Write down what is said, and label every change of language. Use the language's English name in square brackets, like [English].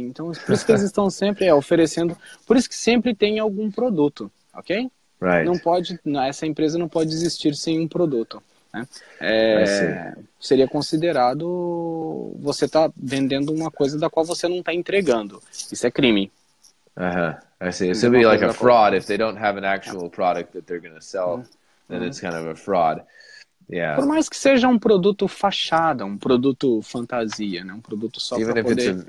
[Portuguese] Então, por isso que eles estão sempre oferecendo, por isso que sempre tem algum produto, ok? [English] Right. [Portuguese] Não pode, essa empresa não pode existir sem um produto. Né? Seria considerado você estar tá vendendo uma coisa da qual você não está entregando. Isso é crime. [English] Uh-huh. I see. It's gonna be like a fraud if they don't have an actual yeah. product that they're gonna sell. Uh-huh. Then it's kind of a fraud. Yeah. [Portuguese] Por mais que seja um produto fachada, um produto fantasia, né? Um produto só para poder.